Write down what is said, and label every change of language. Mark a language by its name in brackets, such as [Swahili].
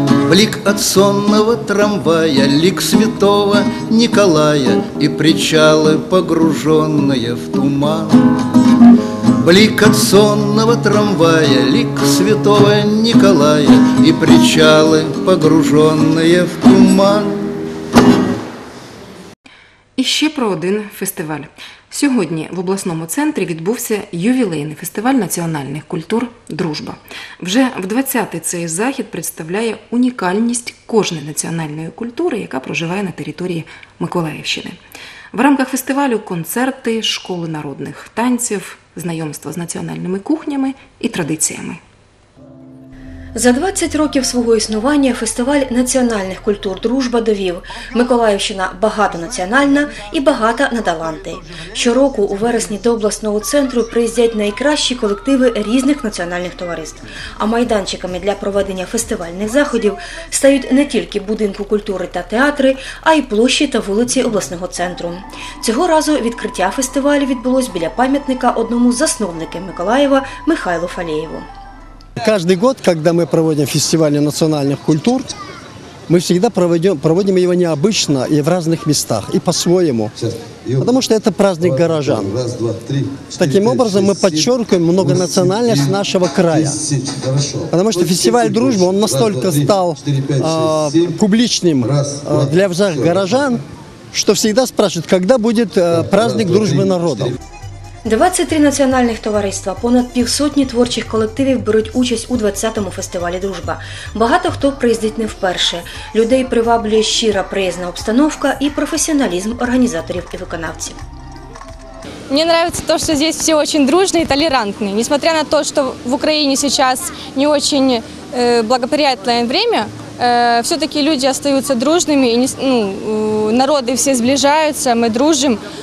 [Russian] Блик от сонного трамвая, лик святого Николая и причалы, погруженные в туман. Блик от сонного трамвая, лик святого Николая и причалы, погруженные в туман. [Ukrainian] І ще про один фестиваль. Сьогодні в обласному центрі відбувся ювілейний фестиваль національних культур «Дружба». Вже в 20-й цей захід представляє унікальність кожної національної культури, яка проживає на території Миколаївщини. В рамках фестивалю – концерти, школи народних танців, знайомство з національними кухнями і традиціями. За 20 років свого існування фестиваль національних культур «Дружба» довів: Миколаївщина багатонаціональна і багата на таланти. Щороку у вересні до обласного центру приїздять найкращі колективи різних національних товариств. А майданчиками для проведення фестивальних заходів стають не тільки будинку культури та театри, а й площі та вулиці обласного центру. Цього разу відкриття фестивалю відбулось біля пам'ятника одному з засновників Миколаєва Михайлу Фалєєву. [Russian] Каждый год, когда мы проводим фестиваль национальных культур, мы всегда проводим его необычно и в разных местах, и по-своему. Потому что это праздник горожан. Таким образом, мы подчеркиваем многонациональность нашего края. Потому что фестиваль «Дружба», он настолько стал публичным для всех горожан, что всегда спрашивают, когда будет праздник дружбы народов. [Ukrainian] 23 національних товариства, понад півсотні творчих колективів беруть участь у 20-му фестивалі «Дружба». Багато хто приїздить не вперше. Людей приваблює щира приязна обстановка і професіоналізм організаторів і виконавців. Мені подобається те, що тут всі дуже дружні і толерантні. [Russian] Несмотря на те, [Ukrainian] що в Україні зараз не дуже благоприятливе час, все-таки люди залишаються дружними, народи всі зближаються, ми дружимо.